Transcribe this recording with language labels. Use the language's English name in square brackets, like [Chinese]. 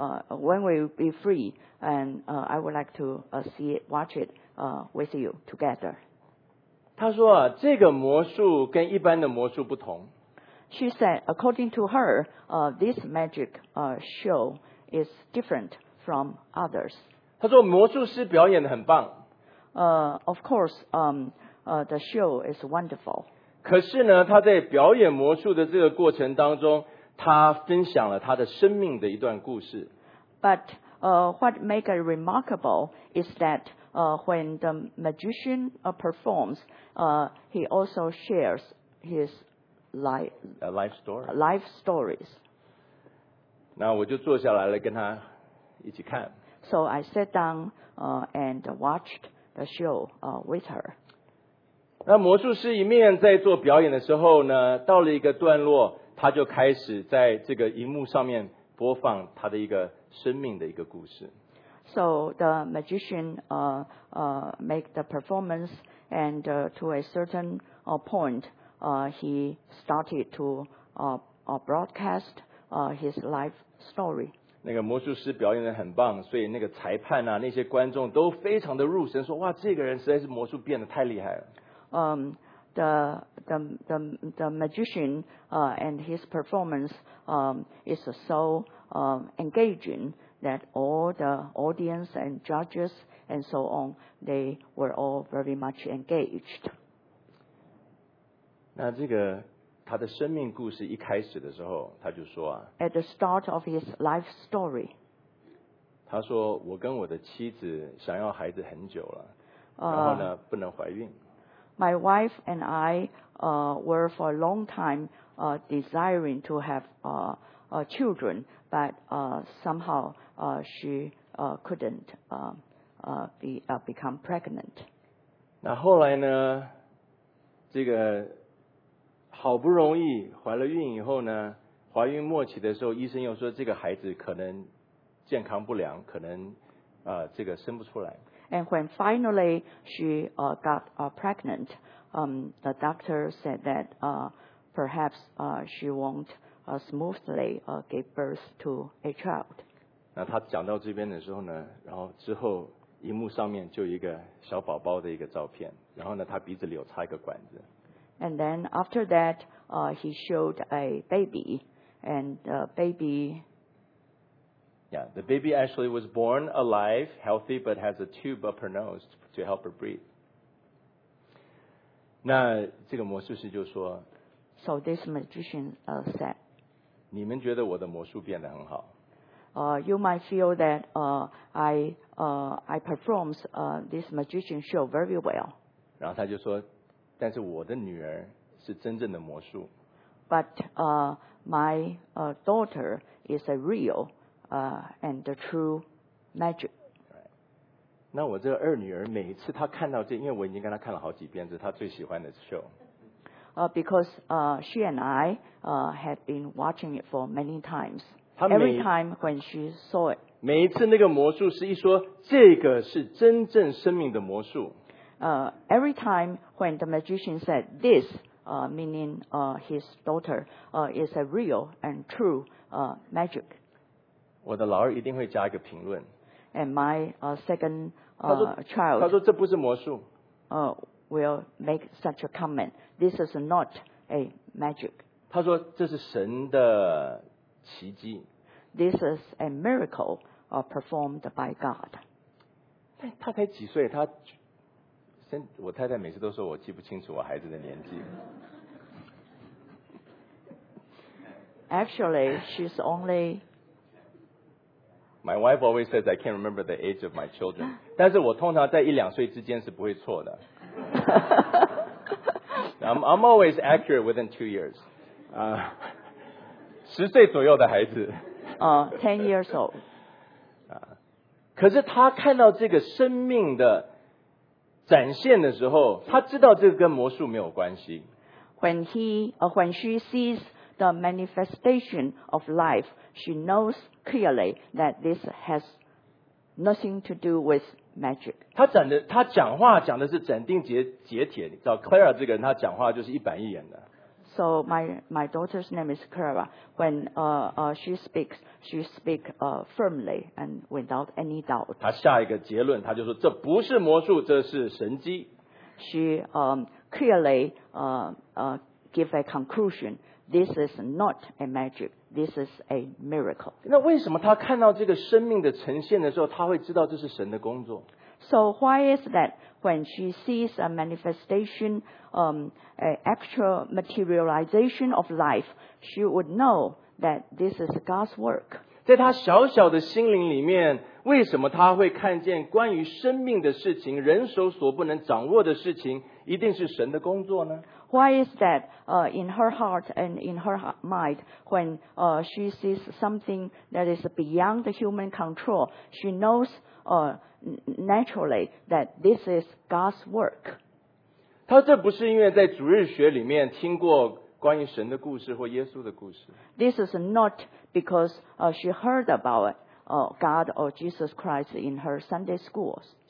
[English] when we be free, and I would like to see it, watch it with you together. [Chinese] 他说啊，这个魔术跟一般的魔术不同。 [English] She said, according to her, this magic show is different from others. [Chinese] 他说魔术师表演得很棒。 [English] Of course, the show is wonderful. [Chinese] 可是呢，他在表演魔术的这个过程当中，他分享了他的生命的一段故事。 [English] But what makes it remarkable is that when the magician performs, he also shares his life stories. [Chinese] 那我就坐下来了，跟他一起看。 [English] So I sat down and watched the show with her. [Chinese] 那魔术师一面在做表演的时候呢，到了一个段落，他就开始在这个荧幕上面播放他的一个生命的一个故事。 [English] So the magician make the performance, and to a certain point, he started to broadcast his life story. [Chinese] 那个魔术师表演得很棒，所以那个裁判啊，那些观众都非常的入神，说哇，这个人实在是魔术变得太厉害了。 [English] The magician and his performance is so engaging that all the audience and judges and so on, they were all very much engaged. [Chinese] 那这个他的生命故事一开始的时候，他就说啊， [English] at the start of his life story, [Chinese] 他说我跟我的妻子想要孩子很久了，然后呢不能怀孕。 [English] My wife and I were for a long time desiring to have children, but somehow she couldn't become pregnant. [Chinese] 那后来呢，这个好不容易怀了孕以后呢，怀孕末期的时候，医生又说这个孩子可能健康不良，可能这个生不出来。 [English] And when finally she got pregnant, the doctor said that perhaps she won't smoothly give birth to a child. [Chinese] 那他讲到这边的时候呢，然后之后荧幕上面就一个小宝宝的一个照片，然后呢他鼻子里有插一个管子。 [English] And then after that, he showed a baby, and the baby. Yeah, the baby actually was born alive, healthy, but has a tube up her nose to help her breathe. [Chinese] 那这个魔术师就说， [English] So this magician said, [Chinese] 你们觉得我的魔术变得很好。 [English] You might feel that I performs this magician show very well. [Chinese] 然后他就说，但是我的女儿是真正的魔术。 [English] But my daughter is a real and the true magic. Right. [Chinese] 那我这二女儿每次她看到这，因为我已经跟她看了好几遍，这是她最喜欢的 show. [English] Because she and I had been watching it for many times. Every time when she saw it. [Chinese] 每一次那个魔术师一说这个是真正生命的魔术。 [English] Every time when the magician said this, meaning his daughter, is a real and true magic. [Chinese] 我的老二一定会加一个评论。 [English] And my second child, [Chinese] 他说这不是魔术。 [English] Will make such a comment. This is not a magic. [Chinese] 他说这是神的奇迹。 [English] This is a miracle performed by God. [Chinese] 他才几岁，他。我太太每次都说我记不清楚我孩子的年纪。 [English] Actually, she's only. My wife always says I can't remember the age of my children. [Chinese] 但是我通常在一两岁之间是不会错的。 [English] I'm always accurate within 2 years. [Chinese] 十岁左右的孩子。 [English] 10 years old. [Chinese] 可是他看到这个生命的展现的时候，他知道这个跟魔术没有关系。 [English] When she sees the manifestation of life, she knows clearly that this has nothing to do with magic. [Chinese] 他讲话讲的是斩钉截铁，你知道 Clara 这个人，他讲话就是一板一眼的。 [English] So my daughter's name is Clara. When she speaks, she speaks firmly and without any doubt. [Chinese] 她下一个结论，她就说这不是魔术，这是神迹。 [English] She clearly give a conclusion. This is not a magic. This is a miracle. [Chinese] 那为什么她看到这个生命的呈现的时候，她会知道这是神的工作？ [English] So why is that when she sees a manifestation, an actual materialization of life, she would know that this is God's work. [Chinese] 在她小小的心灵里面，为什么她会看见关于生命的事情，人手所不能掌握的事情，一定是神的工作呢？ [English] Why is that in her heart and in her mind, when she sees something that is beyond the human control, she knows naturally that this is God's work. [Chinese] 她这不是因为在主日学里面听过关于神的故事或耶稣的故事。 [English] This is not because she heard about God or Jesus Christ in her Sunday schools.